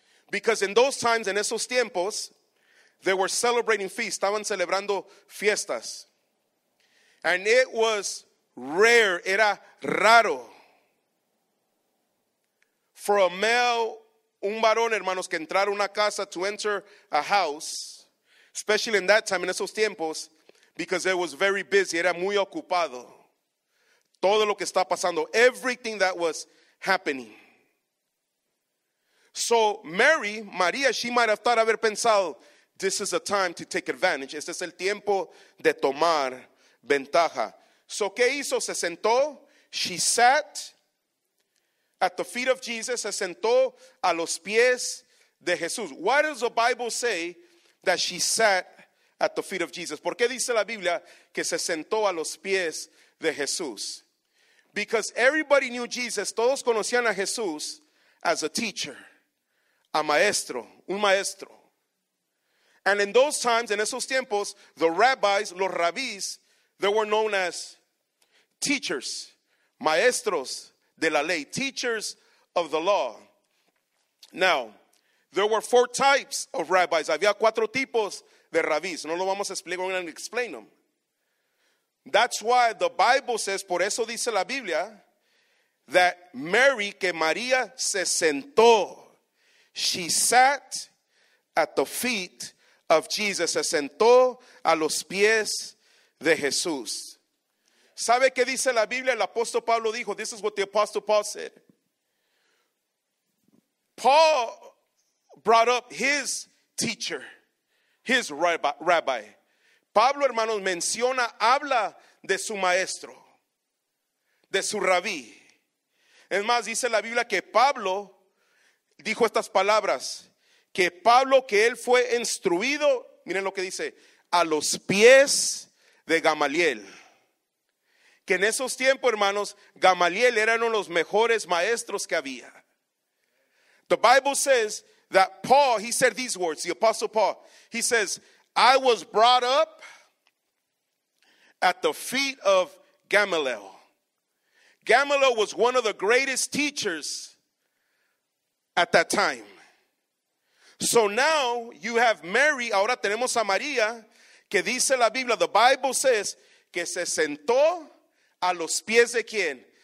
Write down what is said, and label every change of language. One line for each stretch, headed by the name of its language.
English: Because in those times,
Spanish: en esos tiempos,
English: they were celebrating feasts.
Spanish: Estaban celebrando fiestas.
English: And it was rare,
Spanish: era raro,
English: for a male,
Spanish: un varón, hermanos, que entrara una casa,
English: to enter a house, especially in that time,
Spanish: en esos tiempos,
English: because it was very busy,
Spanish: era muy ocupado. Todo lo que está pasando,
English: everything that was happening. So Mary, María, she might have thought,
Spanish: haber pensado,
English: this is a time to take advantage.
Spanish: Este es el tiempo de tomar ventaja. So, ¿qué hizo? Se sentó.
English: She sat at the feet of Jesus.
Spanish: Se sentó a los pies de Jesús.
English: Why does the Bible say that she sat at the feet of Jesus?
Spanish: ¿Por qué dice la Biblia que se sentó a los pies de Jesús?
English: Because everybody knew Jesus.
Spanish: Todos conocían a Jesús
English: as a teacher, a maestro,
Spanish: un maestro.
English: And in those times,
Spanish: en esos tiempos,
English: the rabbis,
Spanish: los rabis,
English: they were known as teachers,
Spanish: maestros de la ley,
English: teachers of the law. Now, there were four types of rabbis.
Spanish: Había cuatro tipos de rabis. No lo vamos a explicar,
English: we're going to explain them. That's why the Bible says,
Spanish: por eso dice la Biblia,
English: that Mary,
Spanish: que María se sentó.
English: She sat at the feet of Jesus.
Spanish: Se sentó a los pies de Jesús. ¿Sabe qué dice la Biblia? El apóstol Pablo dijo,
English: this is what the apostle Paul said. Paul brought up his teacher, his rabbi.
Spanish: Pablo, hermanos, menciona, habla de su maestro, de su rabí. Es más, dice la Biblia que Pablo dijo estas palabras, que Pablo, que él fue instruido, miren lo que dice, a los pies de Gamaliel. Que en esos tiempos, hermanos, Gamaliel era uno de los mejores maestros que había.
English: The Bible says that Paul, he said these words, the apostle Paul, he says, I was brought up at the feet of Gamaliel. Gamaliel was one of the greatest teachers at that time. So now you have Mary,
Spanish: ahora tenemos a María, que dice la Biblia,
English: the Bible says,
Spanish: que se sentó a los pies de quién?